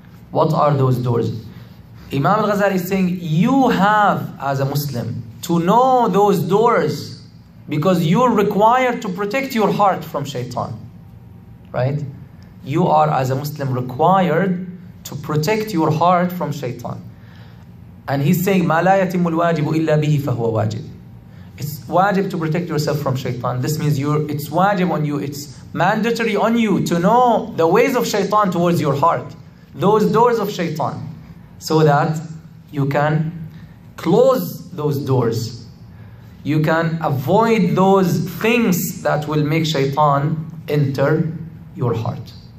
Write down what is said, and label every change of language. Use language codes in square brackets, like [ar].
[en] What are those doors? Imam Al-Ghazali is saying, you have, as a Muslim, to know those doors, because you're required to protect your heart from shaitan. Right? You are, as a Muslim, required to protect your heart from shaitan. And he's saying, [ar] مَا لَا يَتِمُّ الْوَاجِبُ إِلَّا بِهِ فَهُوَ وَاجِبُ. [en] It's wajib to protect yourself from shaitan. This means it's wajib on you. It's mandatory on you to know the ways of shaitan towards your heart. Those doors of shaitan. So that you can close those doors. You can avoid those things that will make shaitan enter your heart.